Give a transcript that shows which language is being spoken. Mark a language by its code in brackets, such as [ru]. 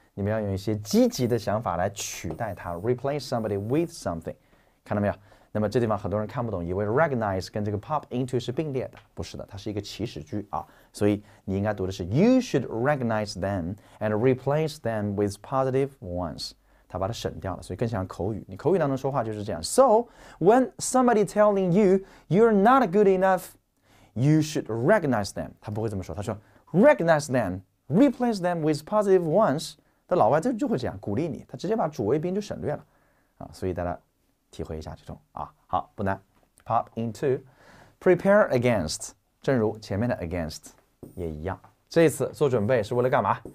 [zh] 你们要用一些积极的想法来取代它 ， [en] replace somebody with something， [zh] 看到没有？那么这地方很多人看不懂，以为 recognize 跟这个 pop into 是并列的，不是的，它是一个祈使句啊。所以你应该读的是 [en] you should recognize them and replace them with positive ones。 [zh] 它把它省掉了，所以更像口语。你口语当中说话就是这样。 [en] So when somebody telling you you're not good enough, you should recognize them。 [zh] 他不会这么说，他说 [en] recognize them, replace them with positive ones。 [zh] 那老外就会这样鼓励你，他直接把主谓宾就省略了，啊，所以大家体会一下这种啊，好，不难。 [en] Pop into, prepare against, [zh] 正如前面的 against 也一样，这次做准备是为了干嘛？